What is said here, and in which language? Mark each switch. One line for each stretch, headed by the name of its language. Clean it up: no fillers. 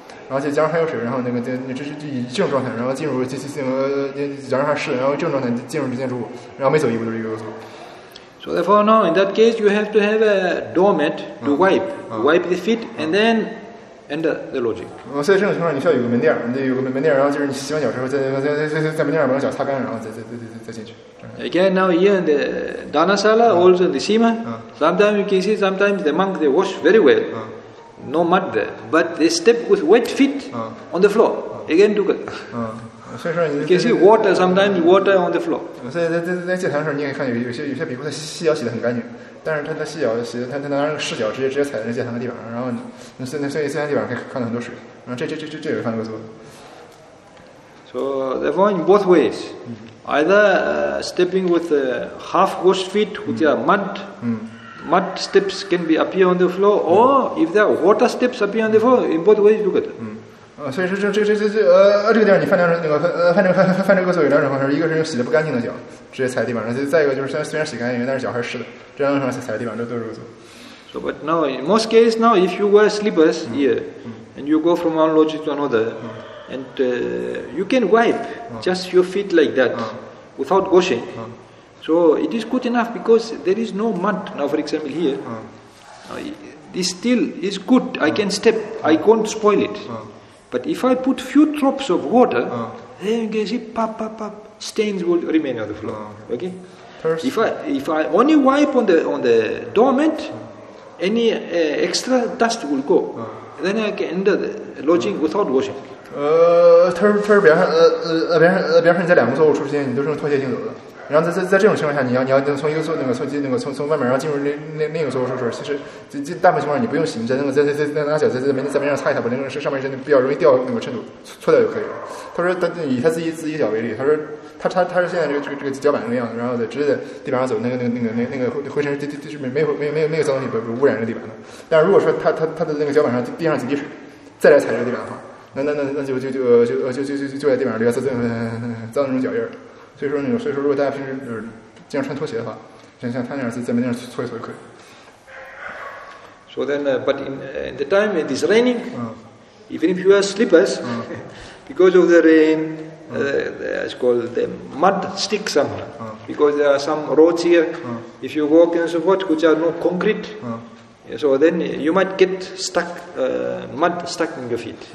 Chinese: 然后脚上还有水，然后那个这是净状态，然后进入脚上还湿，然后净状态进入建筑物，然后每走一步都是一个厕所。
English: So therefore, now in that case, you have to have a doormat to wipe the feet, and then enter the lodging.
Chinese: 所以这种情况你需要有个门垫，你得有个门垫，然后就是你洗完脚之后，在门垫上把脚擦干，然后再进去。
English: Again, now here in the dhanasala, also in the sima, sometimes you can see sometimes the monk they wash very well. No mud there, but they step with wet feet on the floor. Again, do good. You can see water, sometimes water on the floor.
Chinese: 在戒坛的时候，你也看有些比丘他细脚洗得很干净，但是他细脚洗他拿湿脚直接踩在戒坛的地板，然后那些戒坛地板可以看到很多水，然后这也是犯恶作。
English: So therefore, in both ways, either stepping with half washed feet with your mud. Mud steps can be appear on the floor, or if there are water steps appear on the floor, in both ways, look at it.
Chinese: 所以说这个地方你犯这个犯这个错有两种方式，一个是洗的不干净的脚直接踩地板，再一个就是虽然洗干净，但是脚还是湿的，这样的话踩地板都是恶作。
English: So, but now in most cases now, if you wear slippers here, and you go from one lodge to another, and you can wipe just your feet like that without washing. So it is good enough because there is no mud. Now, for example, here, this still is good. I can step. I can't spoil it. But if I put few drops of water, then you can see pop, stains will remain on the floor. Okay. First. If I only wipe on the doormat, any extra dust will go. Then I can enter the lodging without washing.
Chinese: 他说，比方说你在两个座位之间，你都是用拖鞋行走的。然后在这种情况下，你要从一个座从外面，然后进入另一个座位时候，其实这大部分情况下你不用洗，你在拿脚在门上擦一擦，把那个上面是比较容易掉那个尘土搓掉就可以了。他说他以他自己脚为例，他说他是现在这个脚板那个样子，然后在直接在地板上走，那个灰尘是没有脏东西不污染这个地板的。但是如果说他的那个脚板上滴上几滴水，再来踩这个地板的话，那就在地板上留下脏那种脚印。所以说如果大家平时就是经常穿拖鞋的话，像他那样在门上搓一搓就可以。
English: So then, but in the time it is raining, even if you wear slippers, because of the rain, it's called the mud stick somehow. Because there are some roads here. If you walk and so forth, which are no concrete, so then you might get stuck, mud stuck in your feet.